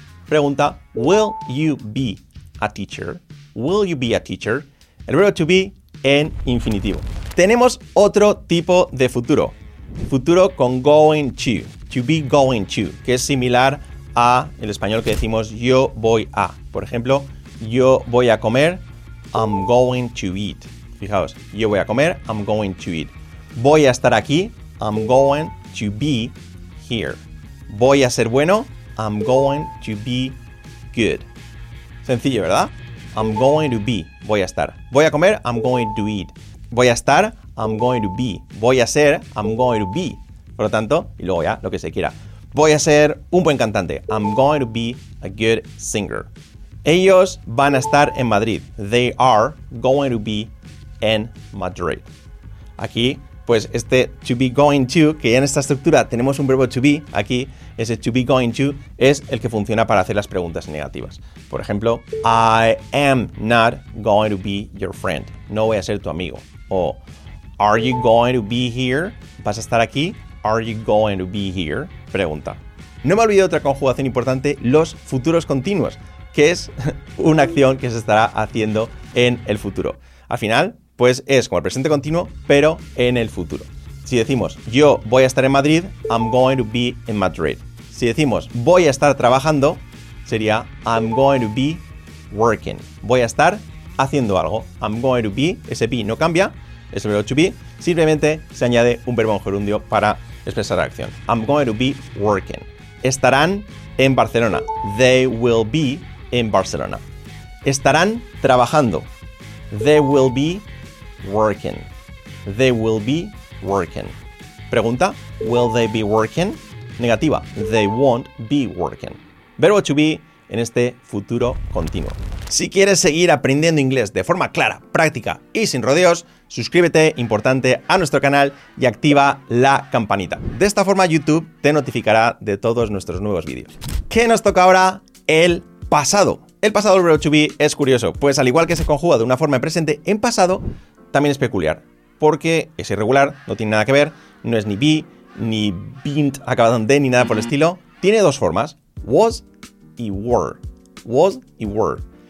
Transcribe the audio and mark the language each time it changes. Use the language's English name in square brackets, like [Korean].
[English] Pregunta, will you be a teacher? Will you be a teacher? El verbo to be en infinitivo. [Spanish] Tenemos otro tipo de futuro. Futuro con going to. [English] To be going to. [Spanish] Que es similar a el español que decimos yo voy a. Por ejemplo, yo voy a comer, [English] I'm going to eat. [Spanish] Fijaos, yo voy a comer, [English] I'm going to eat. [Spanish] Voy a estar aquí, [English] I'm going to be here. [Spanish] Voy a ser bueno, [English] I'm going to be good. [Spanish] Sencillo, ¿verdad? [English] I'm going to be, [Spanish] voy a estar. Voy a comer, [English] I'm going to eat. [Spanish] Voy a estar, [English] I'm going to be. [Spanish] Voy a ser, [English] I'm going to be. [Spanish] Por lo tanto, y luego ya, lo que se quiera. Voy a ser un buen cantante, [English] I'm going to be a good singer. [Spanish] Ellos van a estar en Madrid. [English] They are going to be in Madrid. [Spanish] Aquí, pues este to be going to, que ya en esta estructura tenemos un verbo to be, aquí, ese to be going to es el que funciona para hacer las preguntas negativas. Por ejemplo, [English] I am not going to be your friend. [Spanish] No voy a ser tu amigo. [English] O, are you going to be here? [Spanish] ¿Vas a estar aquí? [English] Are you going to be here? [Spanish] Pregunta. No me olvido de otra conjugación importante, los futuros continuos, que es una acción que se estará haciendo en el futuro. Al final, pues es como el presente continuo, pero en el futuro. Si decimos, yo voy a estar en Madrid, [English] I'm going to be in Madrid. [Spanish] Si decimos, voy a estar trabajando, sería, [English] I'm going to be working. [Spanish] Voy a estar haciendo algo. [English] I'm going to be, [Spanish] ese be no cambia, es el verbo to be, simplemente se añade un verbo en gerundio para expresar la acción. [English] I'm going to be working. [Spanish] Estarán en Barcelona. [English] They will be in Barcelona. [Spanish] Estarán trabajando. [English] They will be working. They will be working. Pregunta, will they be working? Negativa, they won't be working. [Spanish] Verbo to be en este futuro continuo. Si quieres seguir aprendiendo inglés de forma clara, práctica y sin rodeos, suscríbete, importante, a nuestro canal y activa la campanita. De esta forma YouTube te notificará de todos nuestros nuevos vídeos. ¿Qué nos toca ahora? El pasado. El pasado del verbo to be es curioso, pues al igual que se conjuga de una forma en presente, en pasado también es peculiar, porque es irregular, no tiene nada que ver, no es ni be, ni bint acabado en de, ni nada por el estilo. Tiene dos formas, was y were. Was y were.